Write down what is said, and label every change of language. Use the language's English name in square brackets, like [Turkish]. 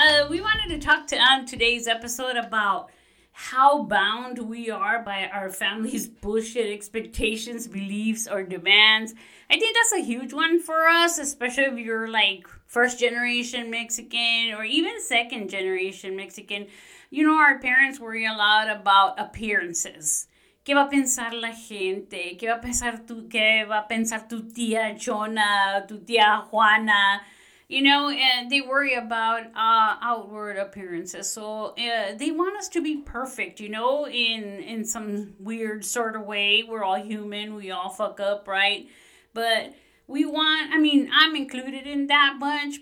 [English] We wanted to talk to on today's episode about how bound we are by our family's bullshit expectations, beliefs, or demands. I think that's a huge one for us, especially if you're like first generation Mexican or even second generation Mexican. You know, our parents worry a lot about appearances. [Spanish] ¿Qué va a pensar la gente? ¿Qué va a pensar tu tía Chona, tu tía Juana? [English] You know, and they worry about outward appearances. So they want us to be perfect, you know, in some weird sort of way. We're all human. We all fuck up, right? But we want, I mean, I'm included in that bunch.